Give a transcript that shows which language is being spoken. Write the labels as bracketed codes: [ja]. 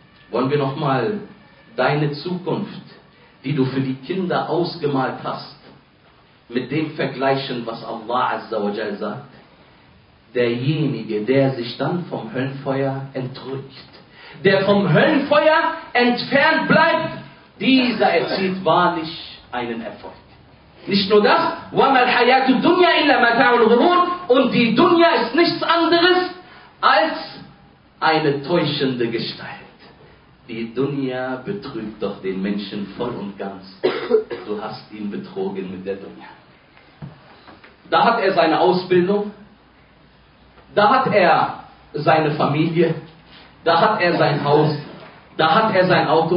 [de] Wollen wir nochmal deine Zukunft, die du für die Kinder ausgemalt hast, mit dem vergleichen, was Allah Azza wa Jal sagt? Derjenige, der sich dann vom Höllenfeuer entrückt, der vom Höllenfeuer entfernt bleibt, dieser erzielt wahrlich einen Erfolg. Nicht nur das, [ar] وَمَا الْحَيَاةُ الدُّنْيَا إِلَّا مَتَاعُ الْغُرُورِ. [de] Und die Dunya ist nichts anderes als eine täuschende Gestalt. Die Dunya betrügt doch den Menschen voll und ganz. Du hast ihn betrogen mit der Dunya. Da hat er seine Ausbildung, da hat er seine Familie, da hat er sein Haus, da hat er sein Auto.